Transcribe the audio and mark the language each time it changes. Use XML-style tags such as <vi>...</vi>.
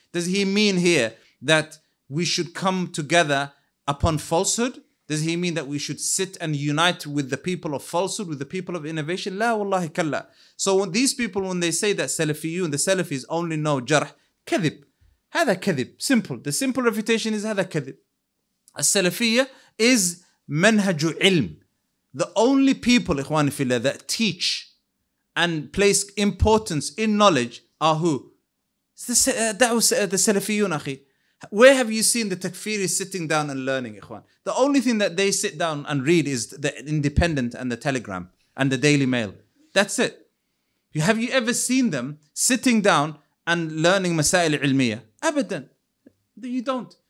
<en>Does he mean here that we should come together upon falsehood? Does he mean that we should sit and unite with the people of falsehood, with the people of innovation? La wallahi kalla. So when these people, when they say that Salafiyun, the Salafis only know jarh, kadhib,</en> <ar>هذا كذب.</ar> <en>Simple. The simple refutation is</en> <ar>هذا كذب. السلفية is منهج علم.</ar> <en>The only people,</en> <ar>إخواني في الله,</ar> <en>that teach and place importance in knowledge are who?</en> <ar>The سلفيون أخي.</ar> <en>Where have you seen the takfiri sitting down and learning, إخوان? The only thing that they sit down and read is the Independent and the Telegram and the Daily Mail. That's it. Have you ever seen them sitting down and learning مسائل علمية? أبداً. You don't.</en>